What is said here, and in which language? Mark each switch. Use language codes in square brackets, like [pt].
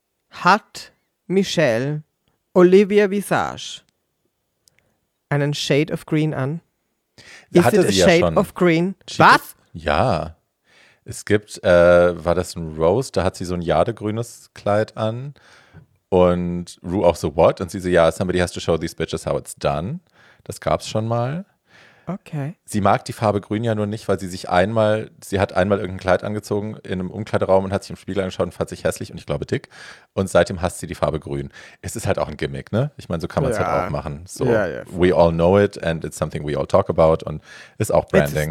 [de] Hat Michelle Olivia Visage einen Shade of Green an? Ja, hatte sie ja schon. [en] Is it a shade of green? Was? [de] Ja. Es gibt, war das ein Rose? Da hat sie so ein jadegrünes Kleid an. Und Rue auch so, what? [en] Und sie so, ja, somebody has to show these bitches how it's done. [de] Das gab's schon mal. Okay. Sie mag die Farbe grün ja nur nicht, weil sie sich einmal, sie hat einmal irgendein Kleid angezogen in einem Umkleideraum und hat sich im Spiegel angeschaut und fand sich hässlich und ich glaube dick. Und seitdem hasst sie die Farbe grün. Es ist halt auch ein Gimmick, ne? Ich meine, so kann man es halt auch machen. [en] So, we all know it and it's something we all talk about und ist auch Branding.